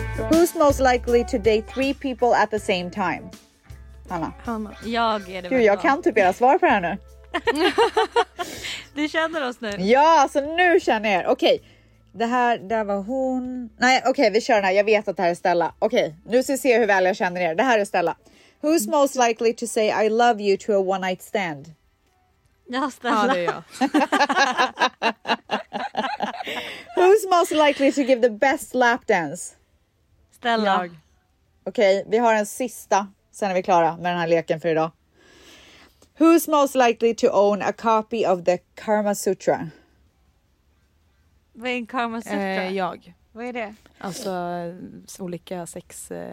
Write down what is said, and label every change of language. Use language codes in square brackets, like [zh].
[en] Who's most likely to date three people at the same time? [sv] Hanna. Hanna. Jag är det. Gud, jag kan typ era svar på det här nu. Du känner oss nu. Ja, alltså nu känner jag er. Okej, det här var hon. Nej, okej, vi kör den här. Jag vet att det här är Stella. Okej, nu ska vi se hur väl jag känner er. Det här är Stella. [en] Who's most likely to say I love you to a one night stand? [sv] Ja, Stella. Ja, det är jag. [en] Who's most likely to give the best lap dance? [sv] Stella. Okej, vi har en sista. Sen är vi klara med den här leken för idag. [en] Who's most likely to own a copy of the Karma Sutra? [sv] Vad är en Karma Sutra? Jag. Vad är det? Alltså olika sex...